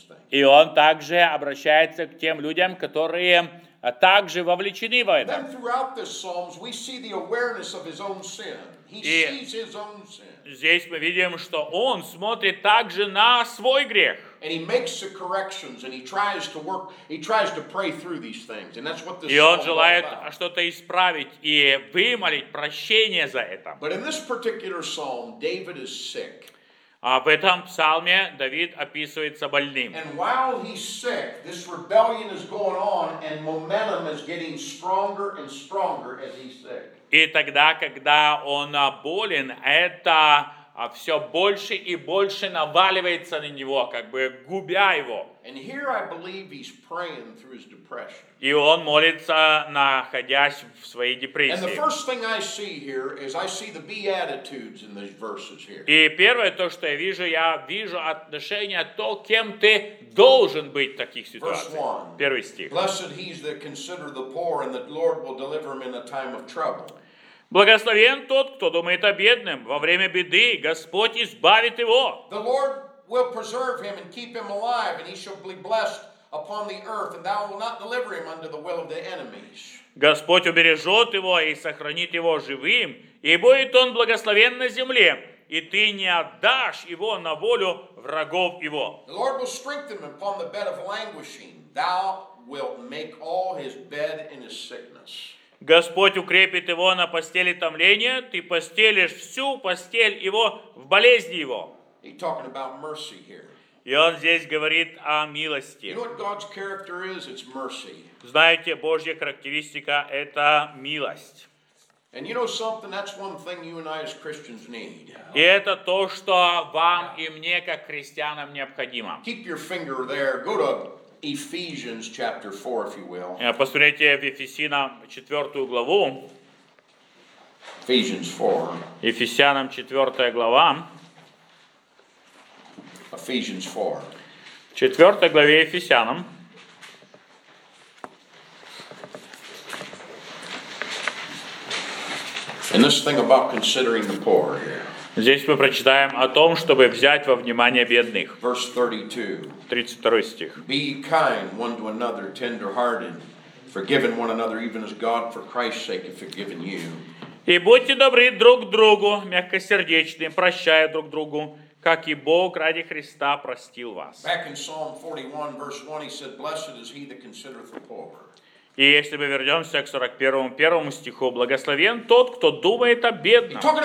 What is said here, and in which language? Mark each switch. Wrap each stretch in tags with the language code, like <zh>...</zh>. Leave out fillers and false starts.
<ru>И он также обращается к тем людям, которые а также вовлечены в это.</ru> <en>Then throughout the Psalms we see the awareness of his own sin. He sees his own sin.</en> <ru>Здесь мы видим, что он смотрит также на свой грех.</ru> <en>And he makes the corrections and he tries to work, he tries to pray through these things. And that's what this</en> <ru>и он желает что-то исправить и вымолить прощение за это.</ru> <en>But in this particular Psalm, David is sick.</en> <ru>А в этом псалме Давид описывается больным.</ru> <en>And while he's sick, this rebellion is going on and momentum is getting stronger and stronger as he's sick.</en> <ru>И тогда, когда он болен, это все больше и больше наваливается на него, как бы губя его.</ru> <en>And here I believe he's praying through his depression.</en> <ru>И он молится, находясь в своей депрессии.</ru> <en>And the first thing I see here is I see the beatitudes in these verses here.</en> <ru>И первое то, что я вижу отношение то, кем ты должен быть в таких ситуациях. Первый стих.</ru> <en>Blessed he that consider the poor and the Lord will deliver him in a time of trouble.</en> <ru>Благословен тот, кто думает о бедном. Во время беды Господь избавит его.</ru> <en>The Lord will preserve him and keep him alive, and he shall be blessed upon the earth, and thou will not deliver him under the will of the enemies.</en> <ru>Господь убережет его и сохранит его живым, и будет он благословен на земле, и ты не отдашь его на волю врагов его.</ru> <en>The Lord will strengthen him upon the bed of languishing. Thou wilt make all his bed in his sickness.</en> <ru>Господь укрепит его на постели томления, ты постелишь всю постель его в болезни его.</ru> <en>He's talking about mercy here.</en> <ru>И он здесь говорит о милости.</ru> <en>You know what God's character is? It's mercy.</en> <ru>Знаете, Божья характеристика — это милость.</ru> <en>And you know something? That's one thing you and I as Christians need.</en> <ru>И это то, что вам и мне как христианам необходимо.</ru> <en>Keep your finger there. Go to Ephesians chapter 4, if you will.</en> <ru>Посмотрите в Ефесянам 4 главу.</ru> <en>Ephesians 4.</en> <ru>Ефесянам 4 глава.</ru> <en>Ephesians 4.</en> <ru>В 4 главе Ефесянам.</ru> <en>And this thing about considering the poor here.</en> <ru>Здесь мы прочитаем о том, чтобы взять во внимание бедных.</ru> <en>Verse 32.</en> <ru>32 стих.</ru> <en>Be kind one to another, tender-hearted, forgiving one another, even as God for Christ's sake has forgiven you.</en> <ru>И будьте добры друг другу, мягкосердечны, прощая друг другу, как и Бог ради Христа простил вас.</ru> <en>Back in Psalm 41, verse 1, he said, blessed is he that considereth the poor.</en> <ru>И если мы вернемся к 41-му, первому стиху, благословен тот, кто думает о бедном.</ru>